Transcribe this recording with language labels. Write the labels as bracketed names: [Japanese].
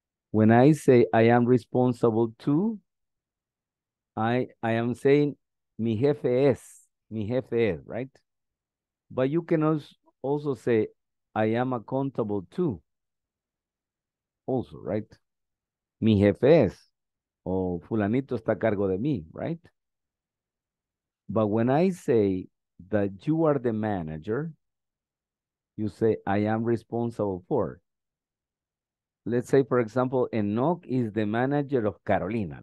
[English] When I say I am responsible to, I am saying [Spanish] mi jefe es, [English] right? But you can also say I am accountable to, also, right? [Spanish] Mi jefe es, o fulanito está a cargo de mí, right? [English] But when I say that you are the manager, you say I am responsible for. Let's say, for example, Enoch is the manager of Carolina.